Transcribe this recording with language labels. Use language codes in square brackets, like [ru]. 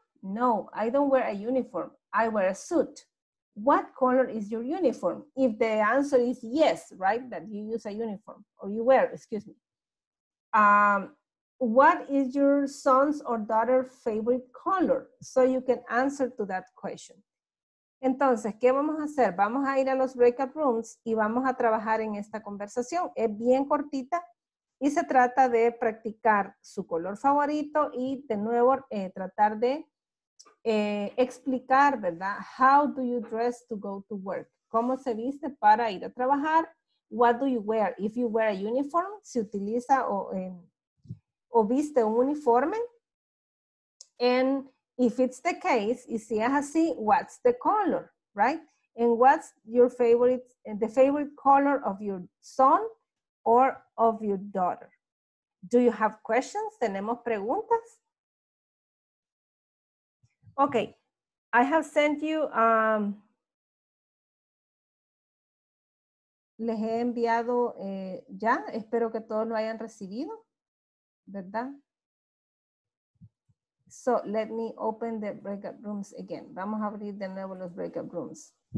[en] No, I don't wear a uniform. I wear a suit. What color is your uniform? If the answer is yes, right, that you use a uniform or you wear, excuse me. What is your son's or daughter's favorite color? So you can answer to that question. [es] Entonces, ¿qué vamos a hacer? Vamos a ir a los breakout rooms y vamos a trabajar en esta conversación. Es bien cortita y se trata de practicar su color favorito y de nuevo tratar de explicar, ¿verdad? [en] How do you dress to go to work? [es] ¿Cómo se viste para ir a trabajar? [en] What do you wear? If you wear a uniform, [es] ¿se utiliza o viste un uniforme? [en] And if it's the case, [es] y si es así, [en] what's the color, right? And what's your favorite, the favorite color of your son or of your daughter? Do you have questions? [es] ¿Tenemos preguntas? [en] Okay, I have sent you, [es] les he enviado ya, espero que todos lo hayan recibido, ¿verdad? [en] So let me open the breakout rooms again. [es] Vamos a abrir de nuevo los breakout rooms.